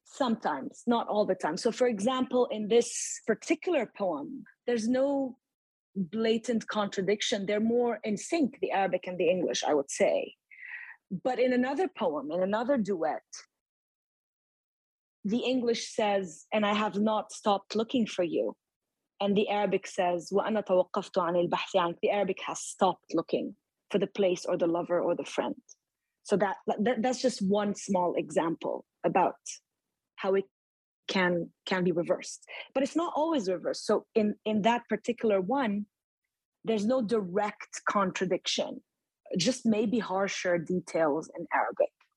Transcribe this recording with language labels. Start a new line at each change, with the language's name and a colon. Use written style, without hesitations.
English: Sometimes, not all the time. So for example, in this particular poem, there's no blatant contradiction. They're more in sync, the Arabic and the English, I would say. But in another poem, in another duet, the English says, "And I have not stopped looking for you." And the Arabic says,
Arabic: "وَأَنَا تَوَقَّفْتُ عَنِ الْبَحْثِ عَنْكَ."
English: The Arabic has stopped looking for the place or the lover or the friend. So that's just one small example about how it can be reversed. But it's not always reversed. So in that particular one, there's no direct contradiction, just maybe harsher details in Arabic.